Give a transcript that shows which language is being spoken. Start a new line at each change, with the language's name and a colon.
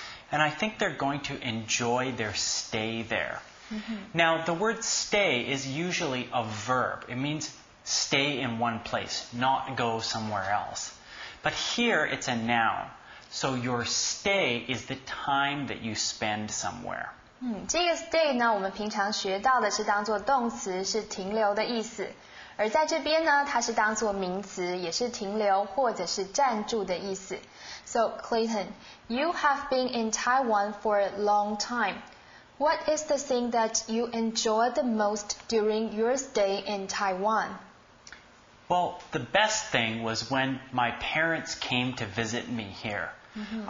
English: And I think they're going to enjoy their stay there. Mm-hmm. Now, the word stay is usually a verb. It means stay in one place, not go somewhere else. But here, it's a noun. So your stay is the time that you spend somewhere.
Chinese: 这个 stay 呢，我们平常学到的是当作动词，是停留的意思。而在这边呢，它是当作名词，也是停留或者是暂住的意思。
English: So, Clayton, you have been in Taiwan for a long time. What is the thing that you enjoy the most during your stay in Taiwan? Well, Well, the best thing was when my parents came to visit me here. Mm-hmm.